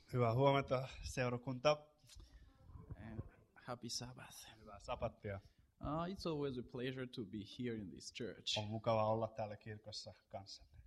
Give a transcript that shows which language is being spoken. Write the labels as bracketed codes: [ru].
[fi] Hyvää huomenta, seurakunta. [en] Happy Sabbath. [fi] Hyvää sabbattia. [en] It's always a pleasure to be here in this church. [fi] On mukava olla täällä kirkossa kanssanne.